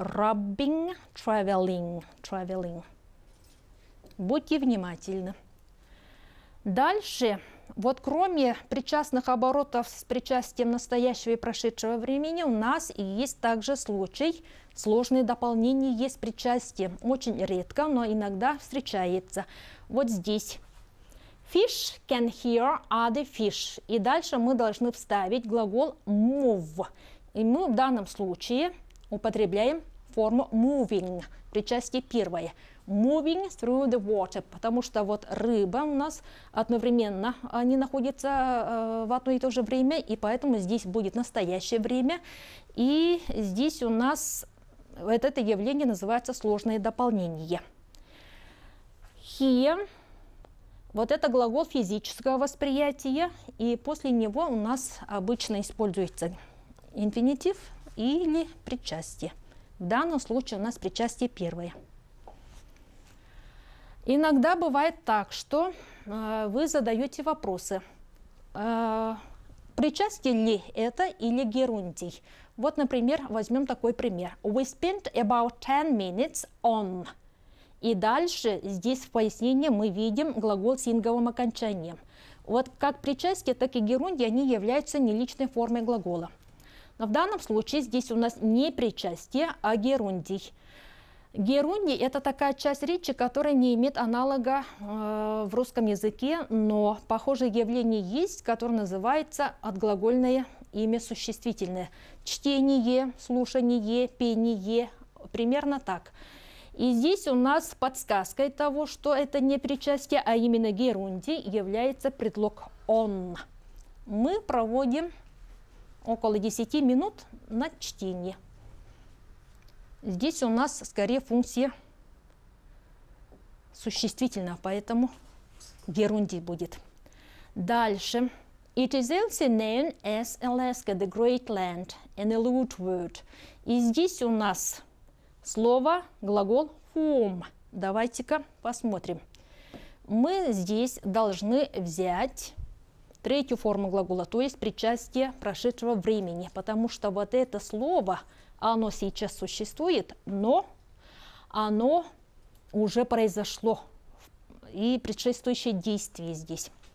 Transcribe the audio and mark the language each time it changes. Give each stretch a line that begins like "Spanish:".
English: Rubbing, traveling.
Russian: Будьте внимательны. Дальше, вот кроме причастных оборотов с причастием настоящего и прошедшего времени, у нас есть также случай, сложные дополнения есть причастие. Очень редко, но иногда встречается. Вот здесь.
English: Fish can hear other fish.
Russian: И дальше мы должны вставить глагол move. И мы в данном случае употребляем форму moving, причастие первое.
English: Moving through the water,
Russian: потому что вот рыба у нас одновременно, они находятся в одно и то же время, и поэтому здесь будет настоящее время. И здесь у нас вот это явление называется сложное дополнение.
English: Here.
Russian: Вот это глагол физического восприятия, и после него у нас обычно используется инфинитив или причастие. В данном случае у нас причастие первое. Иногда бывает так, что вы задаете вопросы. Причастие ли это или герундий? Вот, например, возьмем такой пример.
English: We spent about 10 minutes on...
Russian: И дальше здесь в пояснении мы видим глагол с инговым окончанием. Вот как причастие, так и герундий, они являются не личной формой глагола. Но в данном случае здесь у нас не причастие, а герундий. Герундий – это такая часть речи, которая не имеет аналога в русском языке, но похожее явление есть, которое называется отглагольное имя существительное. Чтение, слушание, пение – примерно так. И здесь у нас подсказкой того, что это не причастие, а именно герундий, является предлог он. Мы проводим около 10 минут на чтение. Здесь у нас скорее функция существительного, поэтому герундий будет. Дальше.
English: It is also known as Alaska, the Great Land, an Aleut word.
Russian: И здесь у нас слово, глагол whom. Давайте-ка посмотрим. Мы здесь должны взять третью форму глагола, то есть причастие прошедшего времени, потому что вот это слово, оно сейчас существует, но оно уже произошло, и предшествующее действие здесь.